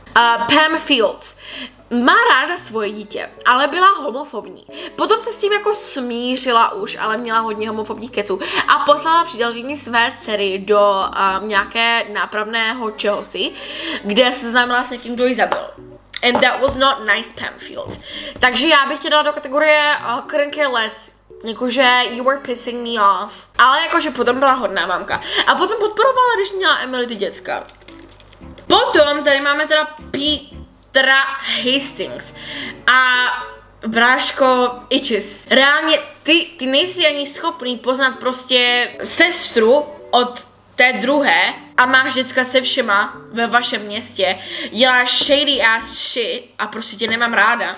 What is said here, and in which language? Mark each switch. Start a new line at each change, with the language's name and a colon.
Czech: Pam Fields. Má ráda svoje dítě, ale byla homofobní. Potom se s tím jako smířila už, ale měla hodně homofobních keců. A poslala přítelkyni své dcery do nějaké nápravného čehosi, kde se seznámila s někým, kdo ji zabil.
English: And that was not nice, Pam Fields.
Czech: Takže já bych tě dala do kategorie
English: couldn't care less. Jakože you were pissing me off.
Czech: Ale jakože potom byla hodná mamka. A potom podporovala, když měla Emily ty děcka. Potom tady máme teda Petra Hastings a bráško Itches. Reálně ty nejsi ani schopný poznat prostě sestru od té druhé a máš děcka se všema ve vašem městě, děláš
English: shady ass shit
Czech: a prostě tě nemám ráda.